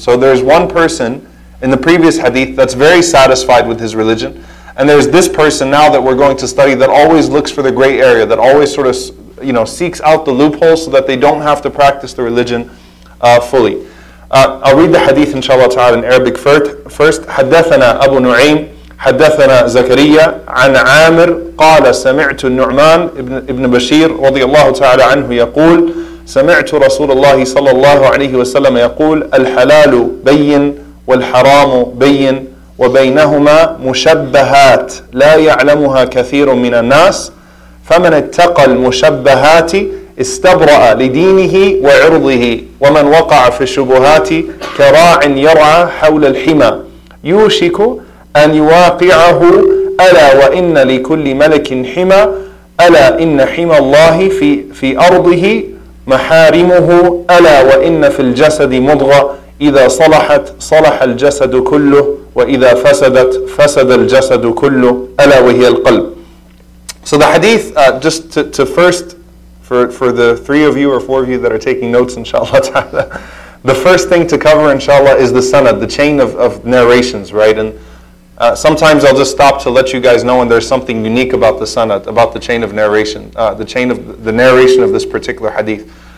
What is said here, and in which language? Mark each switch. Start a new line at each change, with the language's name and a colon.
English: So there's one person in the previous hadith that's very satisfied with his religion. And there's this person now that we're going to study that always looks for the gray area, that always sort of, you know, seeks out the loopholes so that they don't have to practice the religion fully. I'll read the hadith inshallah ta'ala in Arabic first.
Arabic: حدثنا أبو نعيم حدثنا زكريا عن عامر قال سمعت النعمان ابن بشير رضي الله تعالى عنه يقول سمعت رسول الله صلى الله عليه وسلم يقول الحلال بين والحرام بين وبينهما مشبهات لا يعلمها كثير من الناس فمن اتقى المشبهات استبرأ لدينه وعرضه ومن وقع في الشبهات كراع يرعى حول الحمى يوشك أن يواقعه ألا وإن لكل ملك حمى ألا إن حمى الله في أرضه محارمه ألا وإن في الجسد مضغة إذا صلحت صلح الجسد كله وإذا فسدت فسد الجسد كله ألا وهي القلب.
English: So the hadith, just to first, For the three of you or four of you that are taking notes, inshallah ta'ala, the first thing to cover, inshallah, is the sanad, the chain of narrations, right? And sometimes I'll just stop to let you guys know when there's something unique about the sanad, about the chain of narration, the narration of this particular hadith.